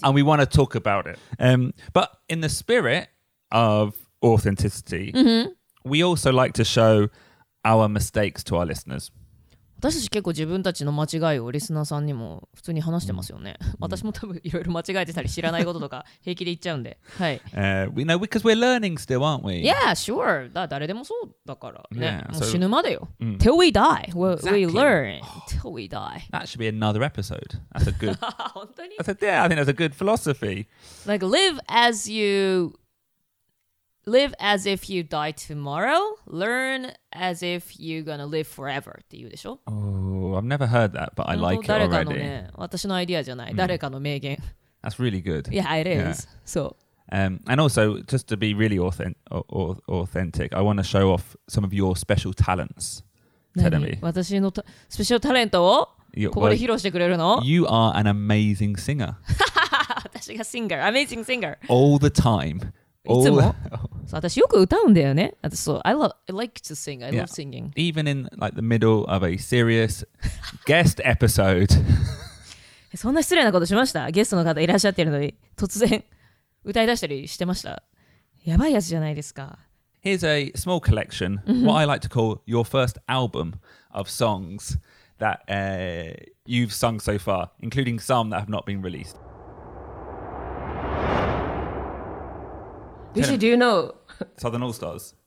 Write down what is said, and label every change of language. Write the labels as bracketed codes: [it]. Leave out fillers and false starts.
[en] and we want to talk about it、but in the spirit of authenticity、 [ja] うん [en] We also like to show our mistakes to our listeners. [ja] 私たち結構自分たちの間違いをリスナーさんにも普通に話してますよね。私も多分いろいろ間違えてたり知らないこととか平気で言っちゃうんで。はい。 [en] We know because we're learning still, aren't we? Yeah, sure. [ja] だ誰でもそうだからね。 [en] Yeah, [ja] もう死ぬまでよ。 [en] Till we die, we learn. Till we die. That should be another episode. That's a good. [ja] 本当に? [en] That's a, yeah, I think that's a good philosophy. Like live as you... Live as if you die tomorrow. Learn as if you're gonna live forever. [ja] って言うでしょ? [en] Oh, I've never heard that, but I like it already. [ja] 誰かのね、私のアイディアじゃない。誰かの名言。 [en] That's really good. Yeah, it is. Yeah. So. And also, just to be really authentic, I want to show off some of your special talents, Terumi. [ja] 私のスペシャルタレントをここで披露してくれるの? [en] You are an amazing singer. [ja] 私がシンガー、amazing singer. [en] All the time. [ja] いつも?私よく歌うんだよね。 [en] So, I like to sing. I love singing. Even in like, the middle of a serious guest episode. [ja] そんな失礼なことしました。ゲストの方いらっしゃってるのに突然歌い出したりしてました。やばいやつじゃないですか。 [en] Here's a small collection. What I like to call your first album of songs that you've sung so far, including some that have not been released. Vishy, do you know? Southern All Stars.